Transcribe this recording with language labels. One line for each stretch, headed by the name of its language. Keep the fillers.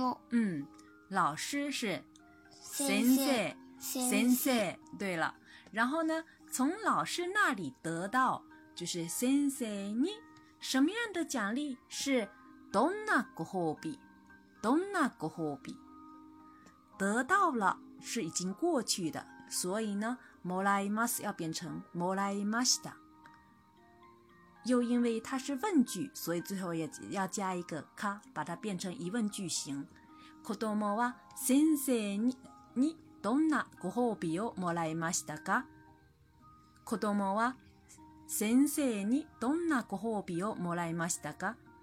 Chinese: 嗯、老师是先生，先生对了。然后呢，从老师那里得到就是先生你什么样的奖励是
Japanese: どんなご褒美，どんなご褒美
Chinese: 得到了。是已经过去的，所以呢，
Japanese: もらいます
Chinese: 要变成
Japanese: もらいました。
Chinese: 又因为它是问句，所以最后也要加一个か，把它变成疑问句型。
Japanese: 子供は先生ににどんなご褒美をもらいましたか？子にどんなご褒美をもらいましたか？子供は先生にどんなご褒美をもらいましたか？